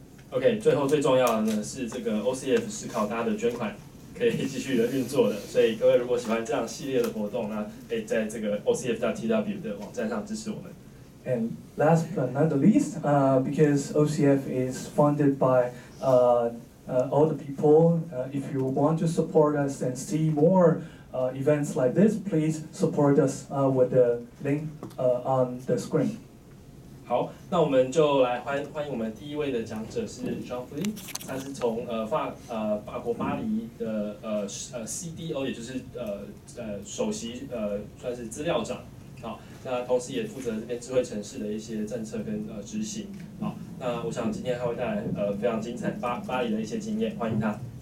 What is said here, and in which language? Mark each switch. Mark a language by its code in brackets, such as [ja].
[zh] Okay, 最后最重要的呢是这个 OCF 思考大家的捐款可以继续的运作的，所以各位如果喜欢这样系列的活动呢，可以在这个 OCF.TW 的网站上支持我们。 [en] And last but not the least, because OCF is funded by all the people. If you want to support us and see more events like this, please support us with the link on the screen. [zh] 好，那我们就来欢迎我们第一位的讲者是 Jean Flynn， 他是从法国巴黎的CDO， 也就是首席算是资料长，好，那同时也负责这边智慧城市的一些政策跟执行，好，那我想今天他会带来非常精彩巴黎的一些经验，欢迎他。